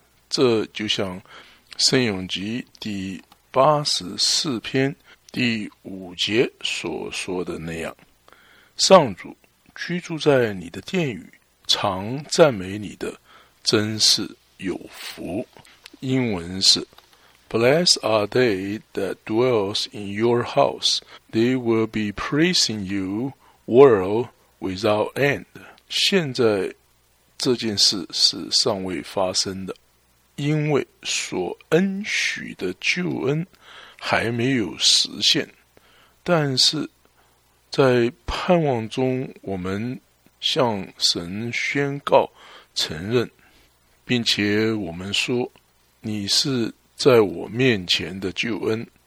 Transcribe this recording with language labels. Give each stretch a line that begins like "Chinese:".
Chinese: 这就像圣咏集第84篇第5节所说的那样，上主居住在你的殿宇，常赞美你的真是有福。英文是
English: Blessed are they that dwells in your house, they will be praising you world without end.
Chinese: 现在这件事是尚未发生的，因为所恩许的救恩还没有实现，但是在盼望中，我们向神宣告承认，并且我们说你是在我面前的救恩。